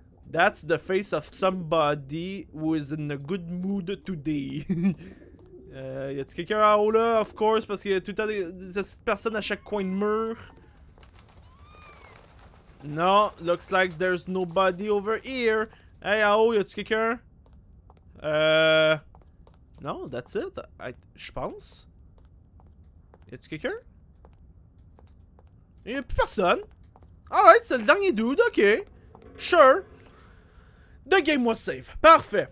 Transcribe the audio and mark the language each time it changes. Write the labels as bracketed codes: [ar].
[en] That's the face of somebody who is in a good mood today. [fr] y'a-tu quelqu'un en haut là? [en] Of course, [fr] parce qu'il y a tout le temps des personnes à chaque coin de mur. [en] Non, looks like there's nobody over here. [fr] Hey, en haut, y'a-tu quelqu'un? Non, [en] that's it, [fr] je pense. Y'a-tu quelqu'un? Y'a plus personne. Alright, c'est le dernier dude, ok. Sure. [en] The game was safe. [fr] Parfait.